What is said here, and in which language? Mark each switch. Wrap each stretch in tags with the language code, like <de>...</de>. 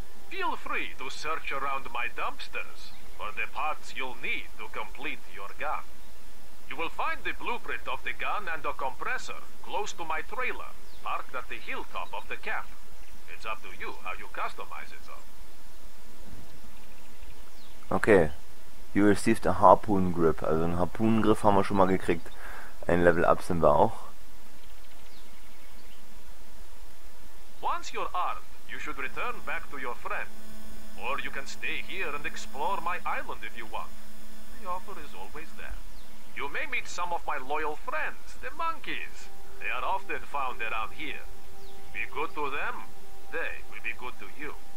<en>Feel free to search around my dumpsters for the parts you'll need to complete your gun. You will find the blueprint of the gun and a compressor close to my trailer, parked at the hilltop of the camp. It's up to you how you customize it, though. Okay. You received a Harpoon Grip.</en> <de>Also einen Harpoon-Griff haben wir schon mal gekriegt. Ein Level Up sind wir auch.</de> <en>Once you're armed, you should return back to your friend. Or you can stay here and explore my island if you want. The offer is always there. You may meet some of my loyal friends, the monkeys. They are often found around here. Be good to them, they will be good to you.</en>